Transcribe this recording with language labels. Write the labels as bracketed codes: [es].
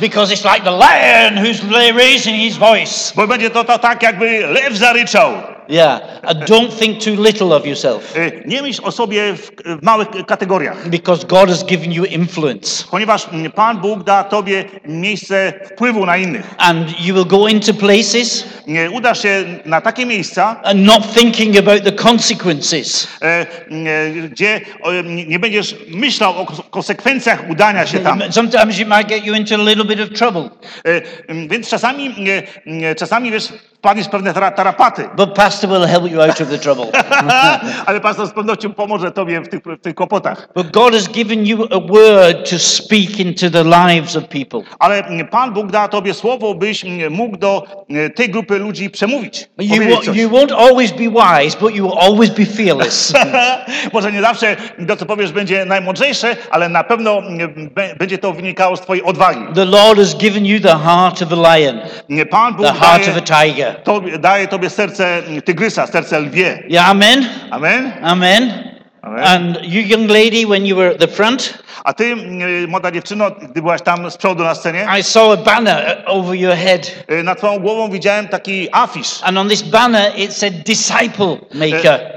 [en] Because it's like the lion who's raising his voice. [pl] Bo będzie to tak, jakby lew zaryczał. [en] Yeah, don't think too little of yourself. [pl] Nie myśl o sobie w małych kategoriach. [en] Because God has given you influence. [pl] Ponieważ Pan Bóg da tobie miejsce wpływu na innych. [en] And you will go into places. [pl] Nie udasz się na takie miejsca. [en] And not thinking about the consequences. [pl] Gdzie nie będziesz myślał o konsekwencjach udania się tam. [en] Sometimes it might get you into a little bit of trouble. [pl] Więc czasami wiesz. Panie, pewne tarapaty. [en] But pastor will help you out of the trouble. [pl] Ale pastor z pewnością pomoże tobie w tych kłopotach. [en] But God has given you a word to speak into the lives of people. [pl] Ale Pan Bóg da tobie słowo, byś mógł do tej grupy ludzi przemówić. [en] You won't always be wise, but you will always be fearless. [pl] Może nie zawsze to, co powiesz, będzie najmądrzejsze, ale na pewno będzie to wynikało z twojej odwagi. [en] The Lord has given you the heart of a lion. [pl] Pan Bóg [en] the heart of a tiger. [pl] To daje tobie serce tygrysa, serce lwie. [en] Yeah, amen. Amen. Amen. Amen. And you young lady, when you were at the front, [pl] a ty, młoda dziewczyno, gdy byłaś tam z przodu na scenie, [en] I saw a banner over your head. [pl] Nad twoją głową widziałem taki afisz. [en] And on this banner it said disciple maker.